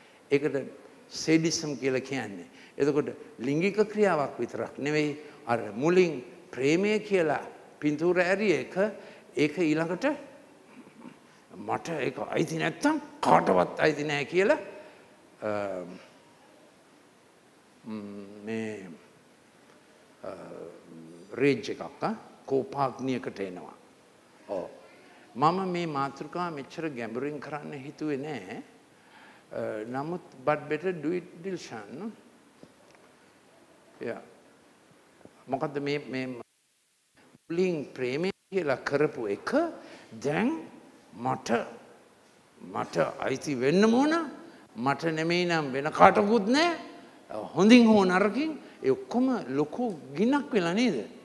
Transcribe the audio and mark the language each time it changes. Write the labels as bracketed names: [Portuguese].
[Sinhala] ඒකට සෙඩිසම් කියලා කියන්නේ. එතකොට ලිංගික ක්‍රියාවක් විතරක් නෙවෙයි අර මුලින් ප්‍රේමය කියලා පින්තූර ඇරිය එක ඒක ඊළඟට මට ඒක අයිති නැත්තම් කාටවත් අයිති නැහැ කියලා මේ රේජ් එකක් කෝපාග්නියකට එනවා. ඔව් මම මේ මාතෘකාව මෙච්චර ගැඹුරින් කරන්න හිතුවේ නැහැ. නමුත් [English] but better do it dilshan no? [Sinhala] yeah මොකද මේ මේ මුලින් ප්‍රේමය කියලා කරපු එක දැන් මට අයිති වෙන්න ඕන. මට නෙමෙයි නම් වෙන කාටකුත් නෑ. හොඳින් හෝ නරකින් ඒ ඔක්කොම ලොකු ගිනක් වෙලා නේද?